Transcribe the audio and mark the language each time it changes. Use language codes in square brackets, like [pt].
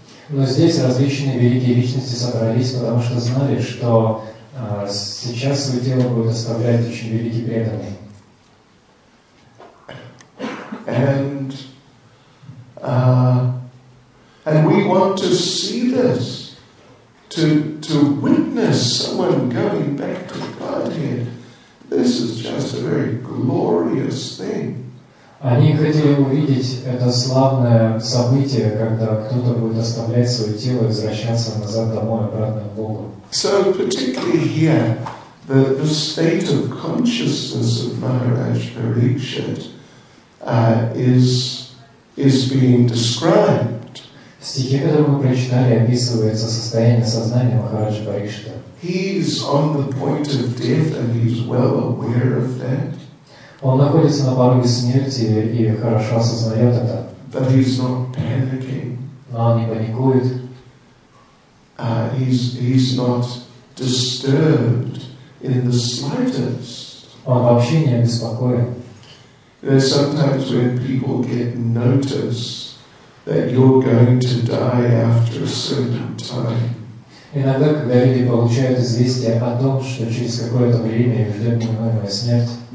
[ru] Но здесь различные великие личности собрались, потому что знали, что сейчас свое тело будет оставлять очень великий преданный. [en] And we want to see this, to witness someone going back to Godhead. This is just a very glorious thing. [ru] Они хотели увидеть это славное событие, когда кто-то будет оставлять свое тело и возвращаться назад домой, обратно к Богу. [en] So particularly here, the state of consciousness of Maharaj Parikshit is being described. [ru] В стихе, который мы прочитали, описывается состояние сознания Махараджа Парикшита. [en] He's on the point of death, and he's well aware of that. [ru] Он находится на пороге смерти и хорошо осознает это. [en] But he's not panicking. [ru] Но он не паникует. [en] He's not disturbed in the slightest. [ru] Он вообще не обеспокоен. [en] There's sometimes when people get notice that you're going to die after a certain time. [ru] Иногда, когда люди получают известие о том, что через какое-то время их ждет неминуемая смерть,